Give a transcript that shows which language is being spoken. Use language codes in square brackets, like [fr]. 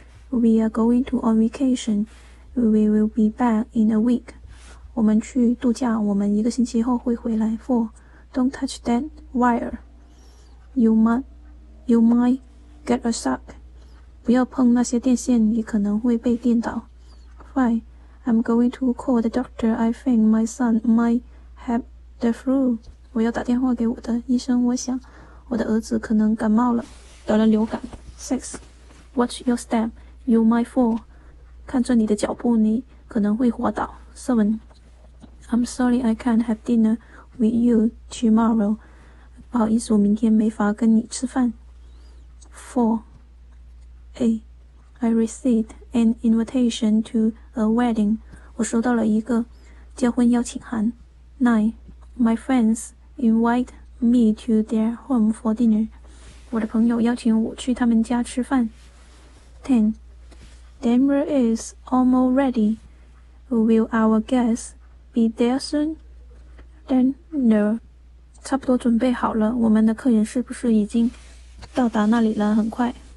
[en] We are going to on vacation. We will be back in a week. [zh] 我们去度假，我们一个星期后会回来。 [en] 4. Don't touch that wire. You might get a shock. [zh] 不要碰那些电线，你可能会被电倒。 [en] 5. I'm going to call the doctor. I think my son might have the flu. [zh] 我要打电话给我的医生，我想我的儿子可能感冒了，得了流感。 [en] 6. Watch your step. You might fall. [zh] 看着你的脚步，你可能会滑倒。 7. [en] I'm sorry I can't have dinner with you tomorrow. [zh] 不好意思，我明天没法跟你吃饭。4. [en] I received an invitation to a wedding. [zh] 我收到了一个结婚邀请函。 9. [en] My friends invite me to their home for dinner. [zh] 我的朋友邀请我去他们家吃饭。 [en] 10. Dinner is almost ready. Will our guests be there soon? Then no. [zh] 差不多准备好了，我们的客人是不是已经到达那里了？很快。